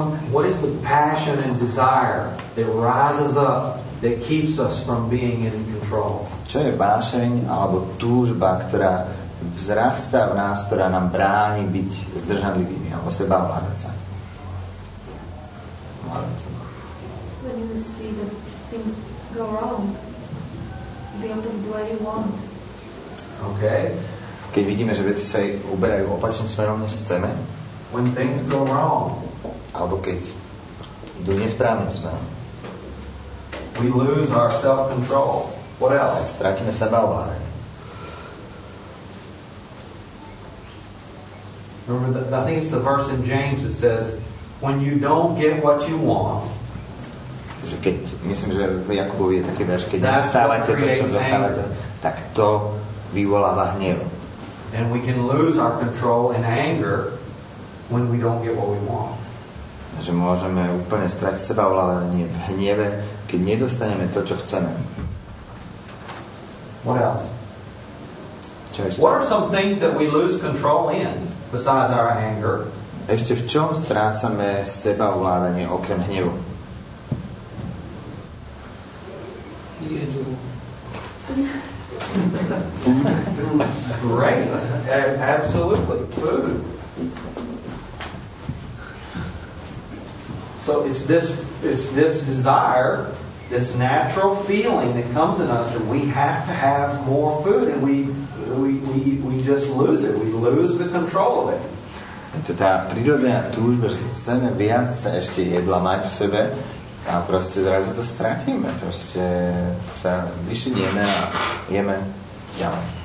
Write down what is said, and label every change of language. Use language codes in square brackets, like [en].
[en] What is the passion and desire that rises up that keeps us from being in control? [sk] Čo je vášeň alebo túžba, ktorá vzrastá v nás, ktorá nám bráni byť zdržanlivými alebo seba ovládať sa? [en] When you see the things go wrong, the opposite way you want. Okay. [sk] Keď vidíme, že veci sa uberajú opačným smerom, než chceme. [en] When things go wrong. [sk] Alebo keď idú nesprávnym smerom. [en] We lose our self-control. What else? [sk] Stratíme sebaovládanie. [en] Remember, I think it's the verse in James that says, when you don't get what you want, [sk] že keď, myslím, že Jakubovi je taký verš, keď nedostávate to, čo dostávate, tak to vyvoláva hnev. [en] And we can lose our control in anger when we don't get what we want. [sk] Že môžeme úplne stratiť seba ovládanie v hneve, keď nedostaneme to, čo chceme. [en] What else? [sk] Čo ešte? [en] What are some things that we lose control in besides our anger? [sk] Ešte v čom strácame seba ovládanie okrem hnevu? [en] Great. Absolutely. Food. So it's this desire, this natural feeling that comes in us that we have to have more food, and we just lose it. We lose the control of it. [sk] To tá prirodzená túžba, že chceme viac ešte jedla mať v sebe, a proste zrazu to stratíme, proste sa vyšinieme a jeme ďalej.